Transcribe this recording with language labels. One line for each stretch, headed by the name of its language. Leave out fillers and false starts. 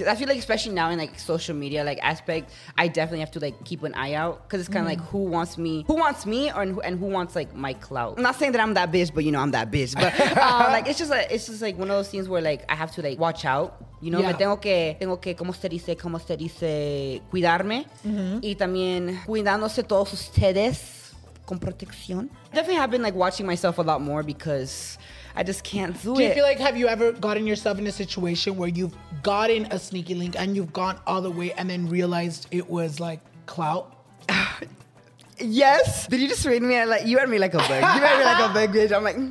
English: I feel like, especially now in, like, social media, like, aspect, I definitely have to, like, keep an eye out because it's kind of, like, who wants me and who wants, like, my clout? I'm not saying that I'm that bitch, but, you know, I'm that bitch. But, like, it's just, like, one of those things where, like, I have to, like, watch out. You know, yeah.
Spanish: me tengo que, como se dice, cuidarme. Mm-hmm. Y también cuidándose todos ustedes con protección.
English: Definitely have been, like, watching myself a lot more because I just can't do it. Do you feel like, have you ever gotten yourself in a situation where you've gotten a sneaky link and you've gone all the way and then realized it was, like, clout? Yes. Did you just read me? You read me like a bug. You read me like a bug, bitch. I'm like,